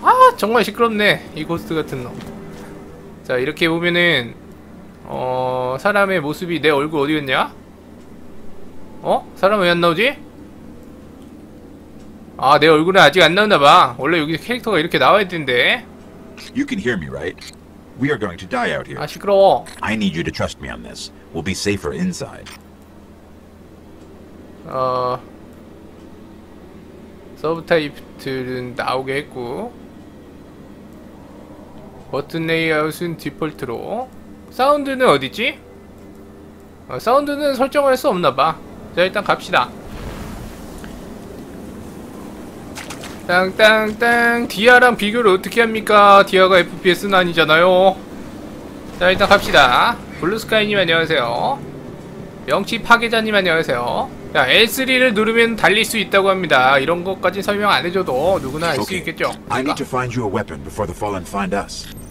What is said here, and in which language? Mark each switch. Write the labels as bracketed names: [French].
[Korean] 아, 정말 시끄럽네. 이 고스트 같은 놈. 자, 이렇게 보면은, 사람의 모습이 내 얼굴 어디 갔냐? 어? 사람 왜안 나오지? 아, 내 얼굴은 아직 안 나오나 봐. 원래 여기 캐릭터가 이렇게 나와야 되는데. [English] You can hear me, right? We are going to die out here. [Korean] 아, 시끄러워. [English] I need you to trust me on this. We'll be safer inside. [Korean] 서브타이틀은 나오게 했고. 버튼 레이아웃은 디폴트로. 사운드는 어딨지? 사운드는 설정할 수 없나 봐. 자, 일단 갑시다. 땅땅땅. 디아랑 비교를 어떻게 합니까? 디아가 FPS는 아니잖아요. 자, 일단 갑시다. 블루스카이님, 안녕하세요. 명치 파괴자님, 안녕하세요. 자, L3를 누르면 달릴 수 있다고 합니다. 이런 것까지 설명 안 해줘도 누구나 알수 [English] Okay. [Korean] 있겠죠? [English] I need to find you a weapon before the fallen find us.